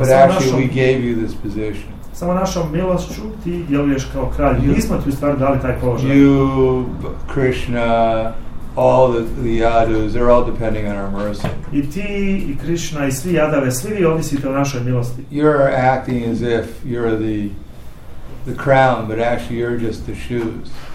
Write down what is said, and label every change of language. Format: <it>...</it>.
<en>But actually, we gave you this position.</en> <bs>Samo našom milošću ti djeluješ kao kralj. Mi smo ti u stvari dali taj položaj.</bs> <en>You, Krishna, all the Yadus, they're all depending on our mercy.</en> <bs>I ti, i Krishna, i svi Yadave, svi vi ovisite o našoj milosti.</bs> <en>You're acting as if you're the crown, but actually you're just the shoes.</en>